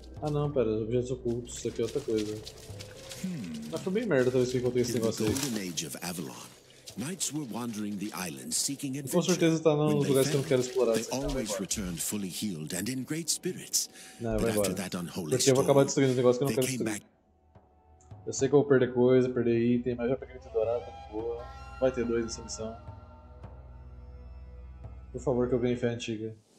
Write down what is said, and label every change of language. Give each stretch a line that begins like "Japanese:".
Portuguese: Não, pera, objetos ocultos, isso aqui é outra coisa. Mas foi bem merda talvez que encontrei esse negócio aí.
English: Golden Age of Avalon, knights were wandering the island seeking adventure.
Portuguese: Com certeza tá nos lugares que eu não quero explorar.
English: They always returned fully healed and in great spirits.
Portuguese: Porque eu vou acabar destruindo um negócio que eu não quero destruir. Eu sei que eu vou perder coisa, perder item, mas já peguei muito dourado, tá de boa. Vai ter dois nessa missão. Por favor, que eu ganhe fé antiga.